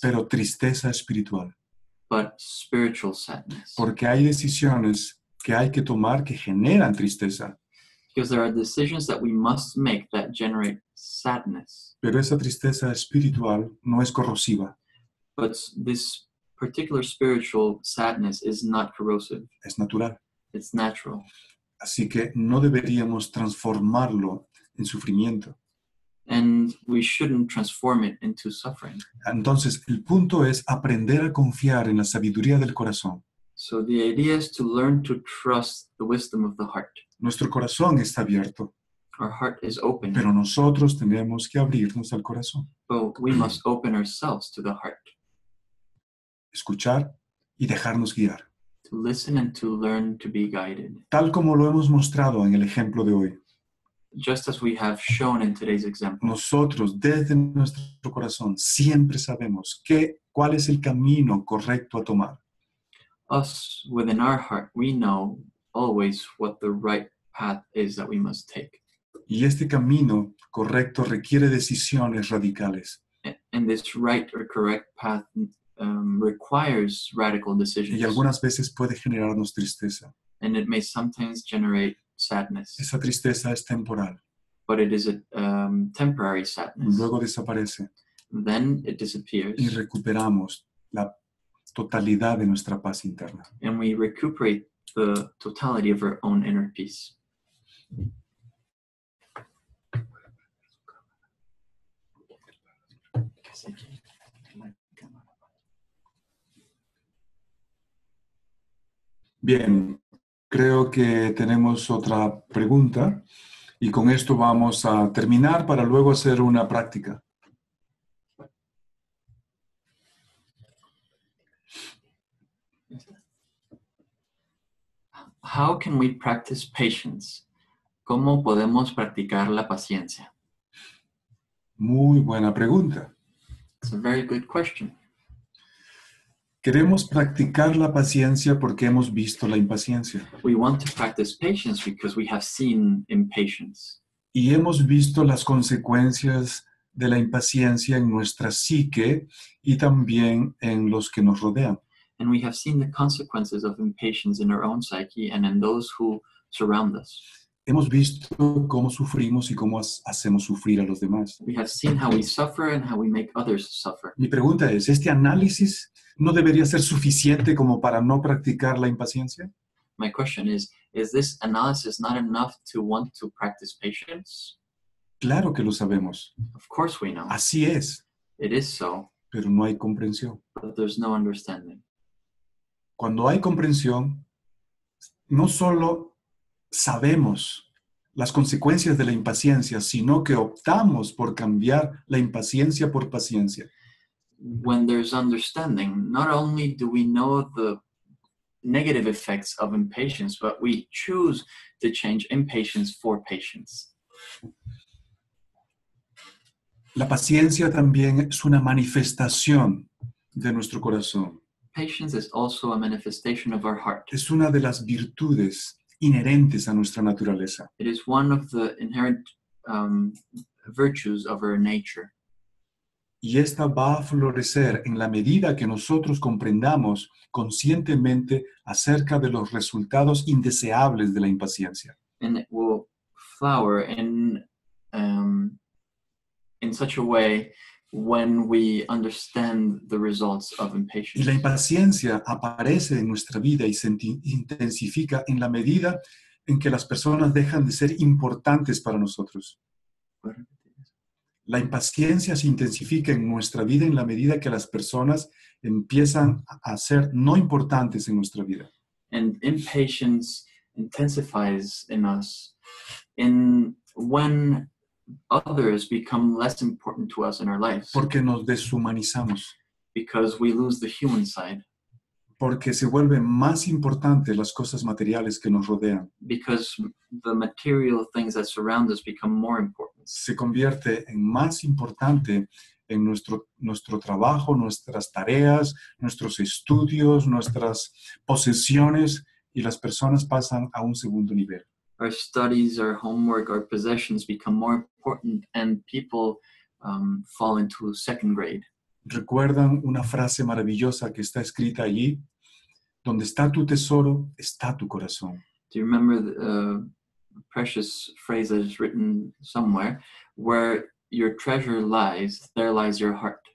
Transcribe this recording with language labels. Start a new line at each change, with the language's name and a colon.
Spanish: Pero tristeza espiritual.
English: But spiritual sadness.
Spanish: Porque hay decisiones que hay que tomar que generan tristeza.
English: Because there are decisions that we must make that generate sadness.
Spanish: Pero esa tristeza espiritual no es corrosiva.
English: But this particular spiritual sadness is not corrosive.
Spanish: Es natural.
English: It's natural.
Spanish: Así que no deberíamos transformarlo en sufrimiento.
English: And we shouldn't transform it into suffering.
Spanish: Entonces, el punto es aprender a confiar en la sabiduría del corazón.
English: So the idea is to learn to trust the wisdom of the heart.
Spanish: Nuestro corazón está abierto.
English: Our heart is open.
Spanish: Pero nosotros tenemos que abrirnos al corazón.
English: But we must open ourselves to the heart.
Spanish: Escuchar y dejarnos guiar.
English: To listen and to learn to be guided.
Spanish: Tal como lo hemos mostrado en el ejemplo de hoy.
English: Just as we have shown in today's example.
Spanish: Nosotros, desde nuestro corazón, siempre sabemos cuál es el camino correcto a tomar.
English: Us, within our heart, we know always what the right path is that we must take.
Spanish: Y este camino correcto requiere decisiones radicales.
English: And this right or correct path requires radical decisions.
Spanish: Y algunas veces puede generarnos tristeza.
English: And it may sometimes generate sadness.
Spanish: Esa tristeza es temporal.
English: But it is a temporary sadness.
Spanish: Luego desaparece.
English: Then it disappears.
Spanish: Y recuperamos la totalidad de nuestra paz interna.
English: And we recuperate the totality of our own inner peace.
Spanish: Bien, creo que tenemos otra pregunta y con esto vamos a terminar para luego hacer una práctica.
English: How can we practice patience?
Spanish: ¿Cómo podemos practicar la paciencia? Muy buena pregunta.
English: It's a very good question.
Spanish: Queremos practicar la paciencia porque hemos visto la impaciencia.
English: We want to practice patience because we have seen impatience.
Spanish: Y hemos visto las consecuencias de la impaciencia en nuestra psique y también en los que nos rodean.
English: And we have seen the consequences of impatience in our own psyche and in those who surround us.
Spanish: Hemos visto cómo sufrimos y cómo hacemos sufrir a los demás.
English: We have seen how we suffer and how we make others suffer.
Spanish: Mi pregunta es, ¿este análisis no debería ser suficiente como para no practicar la impaciencia?
English: My question is this analysis not enough to want to practice patience?
Spanish: Claro que lo sabemos.
English: Of course we know.
Spanish: Así es.
English: It is so.
Spanish: Pero no hay comprensión.
English: But there's no understanding.
Spanish: Cuando hay comprensión, no solo sabemos las consecuencias de la impaciencia, sino que optamos por cambiar la impaciencia por paciencia.
English: When there's understanding, not only do we know the negative effects of impatience, but we choose to change impatience for patience.
Spanish: La paciencia también es una manifestación de nuestro corazón.
English: Patience is also a manifestation of our heart.
Spanish: Es una de las virtudes inherentes a nuestra naturaleza.
English: It is one of the inherent virtues of our nature.
Spanish: Y esta va a florecer en la medida que nosotros comprendamos conscientemente acerca de los resultados indeseables de la impaciencia.
English: And it will flower in such a way when we understand the results of impatience.
Spanish: Y la impaciencia aparece en nuestra vida y se intensifica en la medida en que las personas dejan de ser importantes para nosotros. La impaciencia se intensifica en nuestra vida en la medida que las personas empiezan a ser no importantes en nuestra vida.
English: And impatience intensifies in us in when others become less important to us in our lives.
Spanish: Porque nos deshumanizamos.
English: Because we lose the human side.
Spanish: Porque se vuelven más importantes las cosas materiales que nos rodean.
English: Because the material things that surround us become more important.
Spanish: Se convierte en más importante en nuestro trabajo, nuestras tareas, nuestros estudios, nuestras posesiones, y las personas pasan a un segundo nivel.
English: Our studies, our homework, our possessions become more important, and people fall into second grade.
Spanish: ¿Recuerdan una frase maravillosa que está escrita allí? Donde está tu tesoro, está tu corazón.
English: Do you remember the precious phrase that is written somewhere? Where your treasure lies, there lies your heart.